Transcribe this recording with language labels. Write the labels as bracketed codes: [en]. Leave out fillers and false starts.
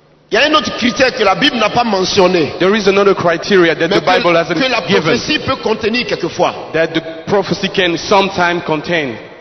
[fr] Il y a un autre critère que la Bible n'a pas mentionné. [en] There is another criteria that the Bible hasn't given. [fr] Que la prophétie peut contenir quelquefois. [en] That the prophecy can sometimes contain.